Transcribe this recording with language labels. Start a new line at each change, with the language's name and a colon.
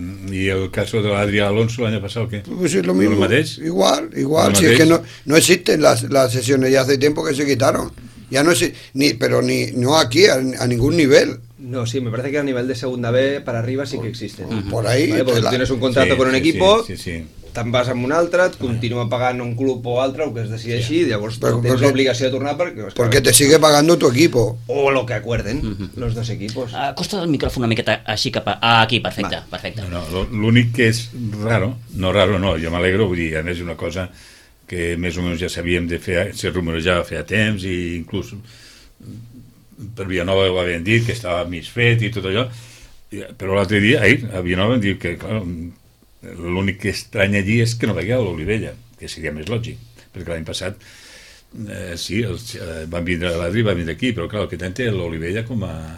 Spanish: ¿Y el caso de Adrià Alonso el año pasado qué? Pues es lo mismo. Igual, si es que no existen las sesiones, ya hace tiempo que se quitaron. Ya no sé, pero aquí a ningún nivel. No, sí, me parece que a nivel de segunda B para arriba sí que existen. Por ahí, ¿vale? Porque tienes un contrato con un equipo. Sí, sí.
Catalan: Te'n vas amb un altre, et continua pagant un club o altre, el que es decideixi, sí, llavors tens l'obligació de tornar perquè
Spanish: te sigue pagando tu equipo. O lo que acuerden, los dos equipos.
Catalan: Costa el micròfon una miqueta així cap a... aquí, perfecte. Perfecte. No, l'únic que és raro, no raro, no, jo m'alegro, vull dir, a més una cosa que més o menys ja sabíem de fer, se rumorejava feia temps, i inclús per Vilanova ho havien dit, que estava mig fet i tot allò, però l'altre dia, ahir, a Vilanova em diu que, clar, l'únic que estrany allí és que no vegui a l'Olivella, que seria més lògic, perquè l'any passat sí, van vindre a l'Adri, van vindre aquí, però clar, el que tant té l'Olivella com a...